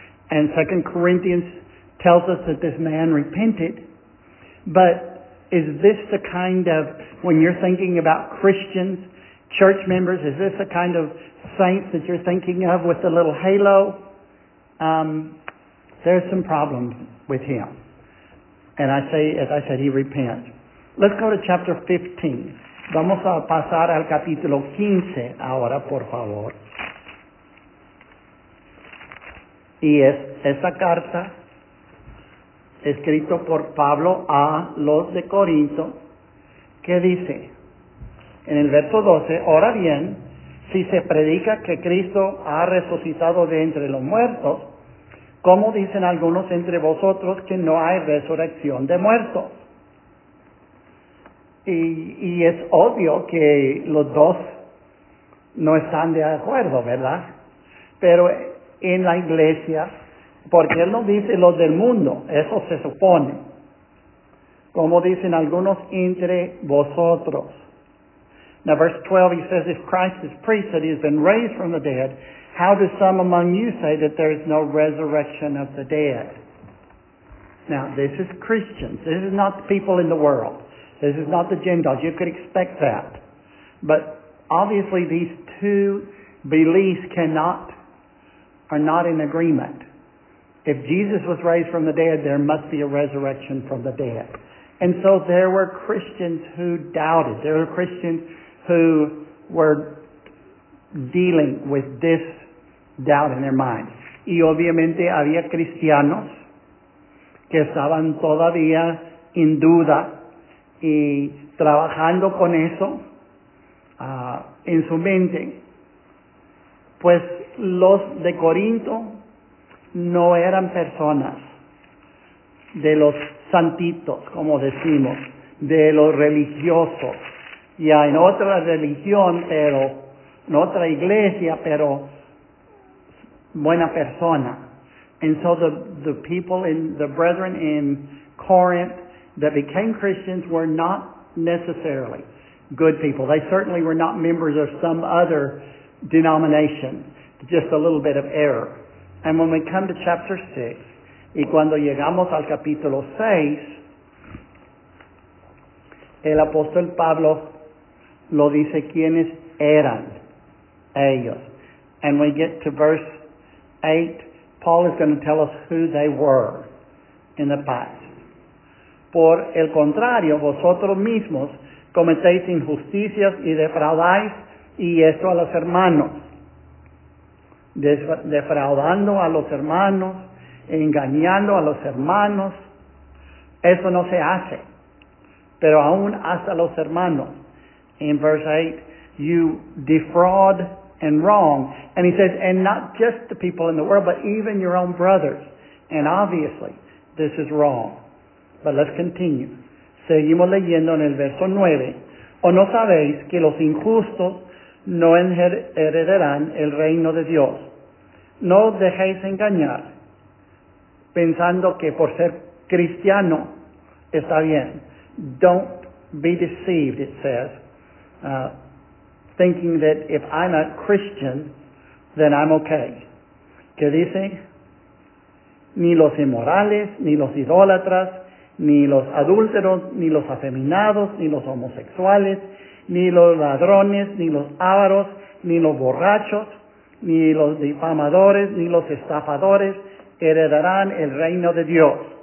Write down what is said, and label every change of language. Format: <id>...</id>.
<en>And 2 Corinthians tells us that this man repented, but is this the kind of, when you're thinking about Christians, church members, is this the kind of saints that you're thinking of with the little halo? There's some problems with him. And I say, as I said, he repents. Let's go to chapter 15.</en> <es>Vamos a pasar al capítulo 15 ahora, por favor. Y es esa carta escrito por Pablo a los de Corinto, que dice en el verso 12, ahora bien, si se predica que Cristo ha resucitado de entre los muertos, ¿cómo dicen algunos entre vosotros que no hay resurrección de muertos? Y es obvio que los dos no están de acuerdo, ¿verdad? Pero en la iglesia, porque él no dice los del mundo, eso se supone. Como dicen algunos entre vosotros.</es> <en>Now verse 12, he says, if Christ is preached that he has been raised from the dead, how do some among you say that there is no resurrection of the dead? Now, this is Christians. This is not the people in the world. This is not the Gentiles. You could expect that. But obviously these two beliefs are not in agreement. If Jesus was raised from the dead, there must be a resurrection from the dead. And so there were Christians who doubted. There were Christians who were dealing with this doubt in their mind.</en> <es>Y obviamente había cristianos que estaban todavía en duda y trabajando con eso en su mente. Pues los de Corinto no eran personas de los santitos, como decimos, de los religiosos. Ya en otra religión, pero en otra iglesia, pero buena persona.</es> <en>And so the people in the brethren in Corinth that became Christians were not necessarily good people. They certainly were not members of some other denomination. Just a little bit of error. And when we come to chapter 6,</en> <es>y cuando llegamos al capítulo 6, el apóstol Pablo lo dice quiénes eran ellos.</es> <en>And we get to verse 8, Paul is going to tell us who they were in the past.</en> <es>Por el contrario, vosotros mismos cometéis injusticias y defraudáis, y esto a los hermanos, defraudando a los hermanos, engañando a los hermanos. Eso no se hace, pero aún hasta los hermanos.</es> <en>In verse 8, you defraud and wrong. And he says, and not just the people in the world, but even your own brothers. And obviously, this is wrong. But let's continue.</en> <es>Seguimos leyendo en el verso 9. ¿O no sabéis que los injustos no heredarán el reino de Dios? No os dejéis engañar pensando que por ser cristiano está bien.</es> <en>Don't be deceived, it says. Thinking that if I'm a Christian, then I'm okay.</en> <es>¿Qué dice? Ni los inmorales, ni los idólatras, ni los adúlteros, ni los afeminados, ni los homosexuales, ni los ladrones, ni los ávaros, ni los borrachos, ni los difamadores, ni los estafadores heredarán el reino de Dios.</es>